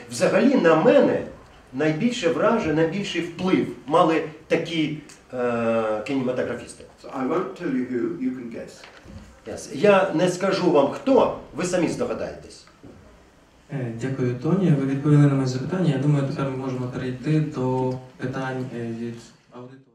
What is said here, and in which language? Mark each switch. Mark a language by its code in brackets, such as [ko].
[uk] Взагалі на мене найбільше враження, найбільший вплив мали такі кінематографісти. [en] So I won't tell you who, you can guess. Yes. [uk] Я не скажу вам хто, ви самі здогадаєтесь. Дякую, Тоні. Ви відповіли на моє запитання. Я думаю, тепер ми можемо перейти до питань від аудиторії.